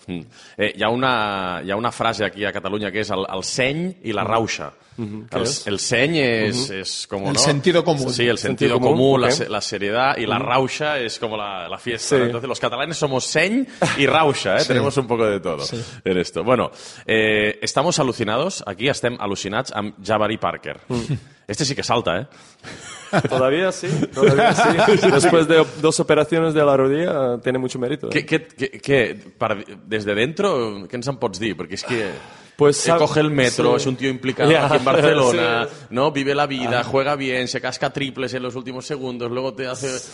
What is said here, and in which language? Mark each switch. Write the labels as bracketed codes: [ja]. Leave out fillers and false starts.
[ca] Hi ha una frase aquí a Catalunya que [es] es el seny y la rauxa. [ca] Uh-huh. [es] El seny es, uh-huh, es como, ¿no? El sentido común. Sí, el sentido común, okay. la seriedad y la rauxa es como la fiesta. Sí. Entonces los catalanes somos seny y rauxa, ¿eh? Sí. Tenemos un poco de todo en esto. Bueno, estamos alucinados, [ca] aquí estem alucinats amb Jabari Parker. [es] Este sí que salta, ¿eh? Todavía sí. Después de dos operaciones de la rodilla, tiene mucho mérito. ¿Eh? ¿Qué, desde dentro, [ca] qué ens en pots dir? [es] Porque es que pues, coge el metro, sí, es un tío implicado aquí en Barcelona, sí, ¿no? Vive la vida, juega bien, se casca triples en los últimos segundos, luego te hace...